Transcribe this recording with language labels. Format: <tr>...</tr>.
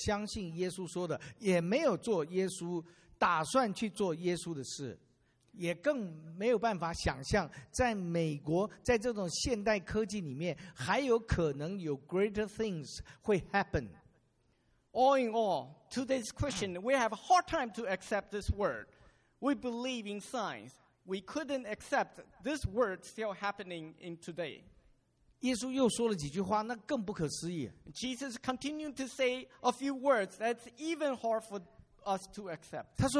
<zh>整个来说,就是我们现代的基督教信仰没有相信耶稣说的,也没有做耶稣 打算去做耶稣的事, 也更没有办法想象在美国在这种现代科技里面 还有可能有</zh> <en>greater things</en> <zh>会 happen.</zh> <en>All in all, to this question, we have a hard time to accept this word. We believe in science. We couldn't accept this word still happening in today.</en> <zh>耶稣又说了几句话, 那更不可思议。</zh> <en>Jesus continued to say a few words that's even hard for us to accept.</en>